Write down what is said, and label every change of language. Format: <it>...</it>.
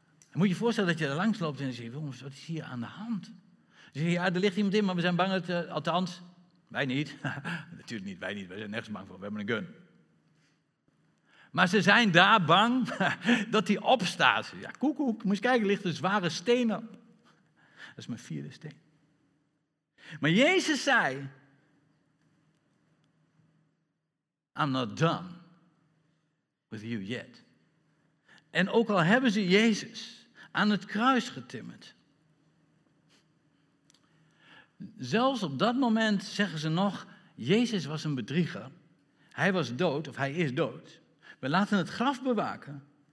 <nl>En moet je voorstellen dat je er langs loopt en zegt, jongens, wat is hier aan de hand? Ze zeggen, ja, er ligt iemand in, maar we zijn bang dat, althans, wij niet. Natuurlijk niet, wij niet, wij zijn nergens bang voor, we hebben een gun. Maar ze zijn daar bang dat hij opstaat. Ja, koekoek, moet eens kijken, ligt een zware steen op. Dat is mijn 4e steen. Maar Jezus zei,</nl> <en>I'm not done with you yet.</en> <nl>En ook al hebben ze Jezus aan het kruis getimmerd, zelfs op dat moment zeggen ze nog, Jezus was een bedrieger. Hij was dood, of hij is dood. We laten het graf bewaken.</nl>